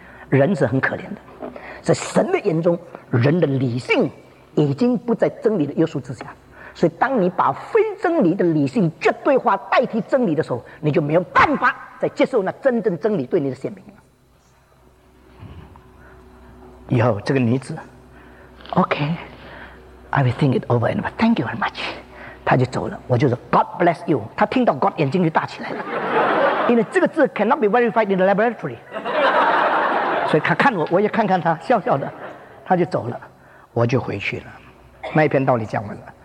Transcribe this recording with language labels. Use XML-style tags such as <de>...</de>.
<zh>人是很可怜的，在神的眼中，人的理性已经不在真理的约束之下。所以当你把非真理的理性绝对化代替真理的时候，你就没有办法再接受那真正真理对你的显明了。以后这个女子</zh> <en>OK I will think it over and over. Thank you very much.</en> <zh>她就走了，我就说</zh> <en>God bless you.</en> <zh>她听到 God 眼睛就大起来了，因为这个字</zh> <en>cannot be verified in the laboratory.</en> <zh>所以她看我，我也看看她，笑笑的她就走了，我就回去了。那一篇道理讲完了。</zh>